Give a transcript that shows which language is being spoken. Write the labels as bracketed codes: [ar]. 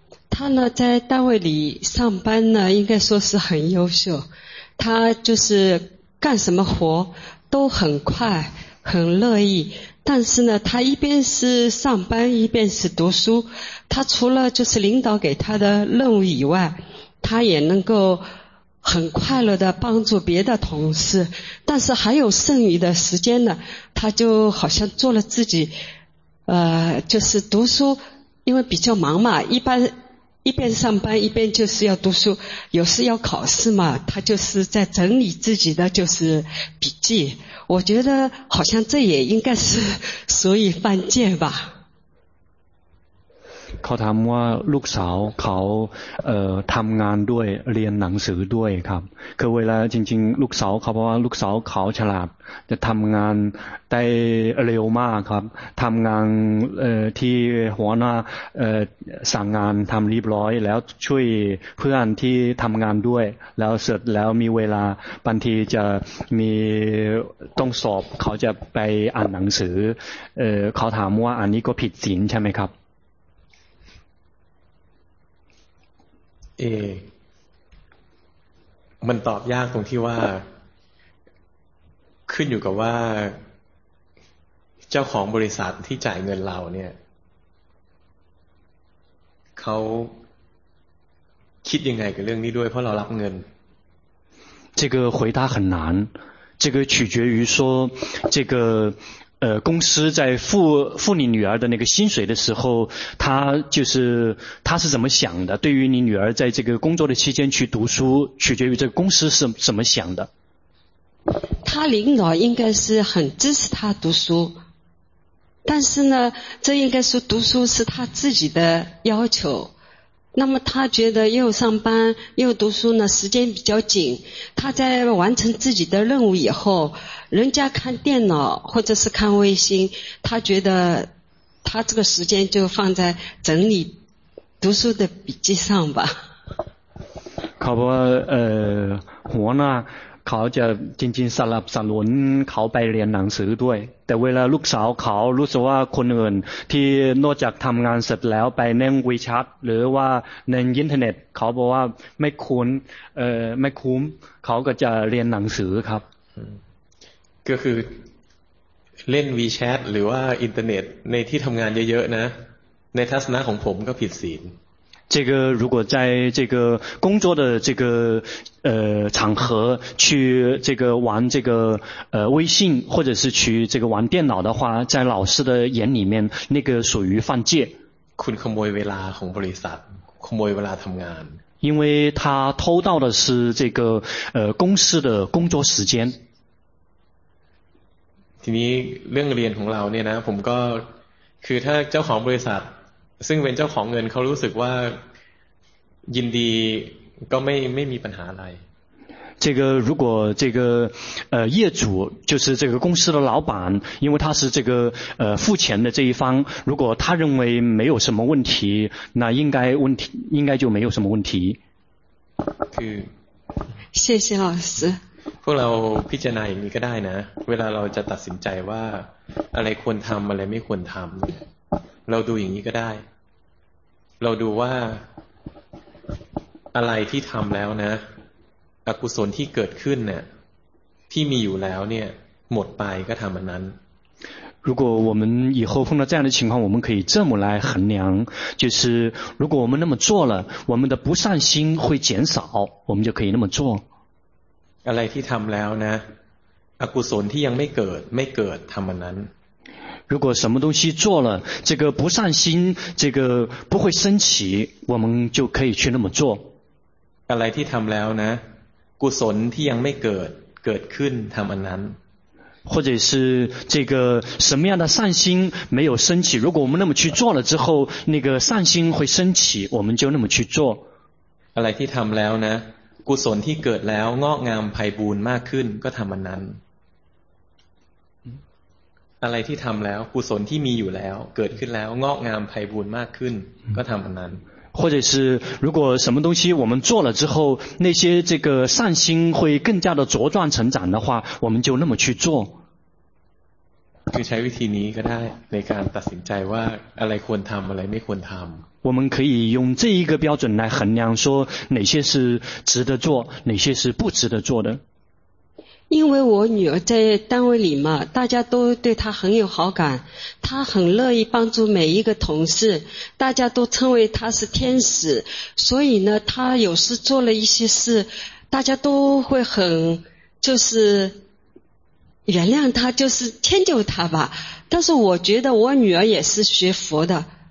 [zh] 她呢在单位里上班呢应该说是很优秀她就是干什么活都很快很乐意但是呢她一边是上班一边是读书她除了就是领导给她的任务以外他也能够很快乐地帮助别的同事但是还有剩余的时间呢他就好像做了自己就是读书因为比较忙嘛，一般一边上班一边就是要读书，有时要考试嘛，他就是在整理自己的就是笔记，我觉得好像这也应该是所以犯戒吧。 [th] เขาถามว่าลูกสาวเขาทำงานด้วยเรียนหนังสือด้วยครับคือเวลาจริงๆลูกสาวเขาเพราะว่าลูกสาวเขาฉลาดจะทำงานได้เร็วมากครับทำงานที่หัวหน้าสั่งงานทำเรียบร้อยแล้วช่วยเพื่อนที่ทำงานด้วยแล้วเสร็จแล้วมีเวลาบางทีจะมีต้องสอบเขาจะไปอ่านหนังสือเขาถามว่าอันนี้ก็ผิดศีลใช่ไหมครับ มันตอบยากตรงที่ว่าขึ้นอยู่กับว่าเจ้าของบริษัทที่จ่ายเงินเราเนี่ยเขาคิดยังไงกับเรื่องนี้ด้วยเพราะเรารับเงิน [zh] 这个回答很难这个取决于说这个公司在付你女儿的那个薪水的时候，他就是他是怎么想的？对于你女儿在这个工作的期间去读书，取决于这个公司是怎么想的。他领导应该是很支持他读书，但是呢，这应该说读书是他自己的要求。那么他觉得又上班又读书呢，时间比较紧。他在完成自己的任务以后，人家看电脑或者是看微信，他觉得他这个时间就放在整理读书的笔记上吧。考不 [th] หัวหน้าเขาจะจริงจริงสลับสลวนเขาไปเรียนหนังสือด้วยแต่เวลาลูกสาวเขารู้สึกว่าคนอื่นที่นอกจากทำงานเสร็จแล้วไปนั่งวีแชทหรือว่าในอินเทอร์เน็ตเขาบอกว่าไม่คุ้นไม่คุ้มเขาก็จะเรียนหนังสือครับ ก็คือเล่นวีแชทหรือว่าอินเทอร์เน็ตในที่ทำงานเยอะๆนะในทัศนะของผมก็ผิดศีล [zh] 这个如果在这个工作的这个场合去这个玩这个微信或者是去这个玩电脑的话，在老师的眼里面，那个属于犯戒。 [th] คุณขโมยเวลาของบริษัท，ขโมยเวลาทำงาน。 [zh] 因为他偷到的是这个公司的工作时间。 [th] ทีนี้เรื่องเรียนของเราเนี่ยนะผมก็คือถ้าเจ้าของบริษัทซึ่งเป็นเจ้าของเงินเขารู้สึกว่ายินดีก็ไม่มีปัญหาอะไร [zh] 这个如果这个业主就是这个公司的老板因为他是这个付钱的这一方如果他认为没有什么问题那应该就没有什么问题谢谢老师 [th] พวกเราพิจารณาอย่างนี้ก็ได้นะเวลาเราจะตัดสินใจว่าอะไรควรทำอะไรไม่ควรทำเราดูอย่างนี้ก็ได้เราดูว่าอะไรที่ทำแล้วนะอกุศลที่เกิดขึ้นเนี่ยที่มีอยู่แล้วเนี่ยหมดไปก็ทำอันนั้น [zh] 如果我们以后碰到这样的情况我们可以这么来衡量就是如果我们那么做了我们的不善心会减少我们就可以那么做 [th] อะไรที่ทำแล้วนะอกุศลที่ยังไม่เกิดทำอันนั้น [zh] 如果什么东西做了这个不善心这个不会升起我们就可以去那么做 [th] อะไรที่ทำแล้วนะกุศลที่ยังไม่เกิดขึ้นทำอันนั้น [zh] 或者是这个什么样的善心没有升起如果我们那么去做了之后那个善心会升起我们就那么去做 [th] อะไรที่ทำแล้วนะกุศลที่เกิดแล้วงอกงามไพบูลย์มากขึ้นก็ทำอันนั้นอะไรที่ทำแล้วกุศลที่มีอยู่แล้วเกิดขึ้นแล้วงอกงามไพบูลย์มากขึ้นก็ทำอันนั้น [zh] 或者是如果什么东西我们做了之后那些这个善心会更加的茁壮成长的话我们就那么去做 [th] คือใช้วิธีนี้ก็ได้ในการตัดสินใจว่าอะไรควรทำอะไรไม่ควรทำ [zh] 我们可以用这一个标准来衡量说哪些是值得做哪些是不值得做的因为我女儿在单位里嘛，大家都对她很有好感，她很乐意帮助每一个同事，大家都称为她是天使，所以呢，她有时做了一些事，大家都会很，就是原谅她，就是迁就她吧。但是我觉得我女儿也是学佛的，